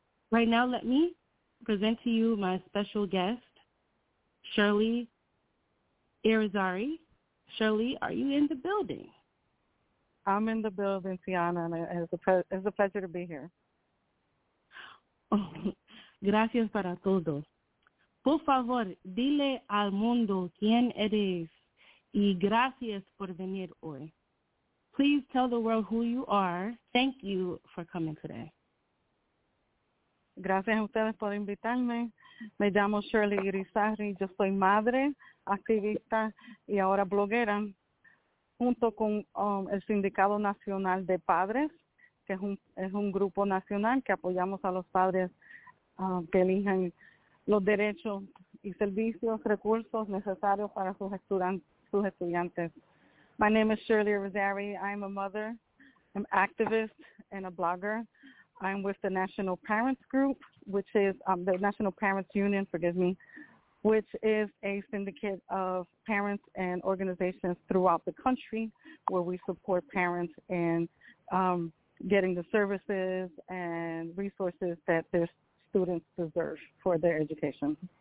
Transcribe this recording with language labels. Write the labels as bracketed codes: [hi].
[en] Right now, let me present to you my special guest, Shirley Izari. Shirley, are you in the building? I'm in the building, Tiana, and it's a pleasure to be here. [es] Gracias para todos. Por favor, dile al mundo quién eres y gracias por venir hoy. [en] Please tell the world who you are. Thank you for coming today. [es] Gracias a ustedes por invitarme. Me llamo Shirley Izari. Yo soy madre, activista y ahora bloguera, junto con el Sindicato Nacional de Padres, que es un grupo nacional que apoyamos a los padres que elijan los derechos y servicios, recursos necesarios para sus estudiantes. [en] My name is Shirley Rosari. I'm a mother, an activist, and a blogger. I'm with the National Parents Group, which is the National Parents Union, forgive me, which is a syndicate of parents and organizations throughout the country where we support parents in getting the services and resources that their students deserve for their education.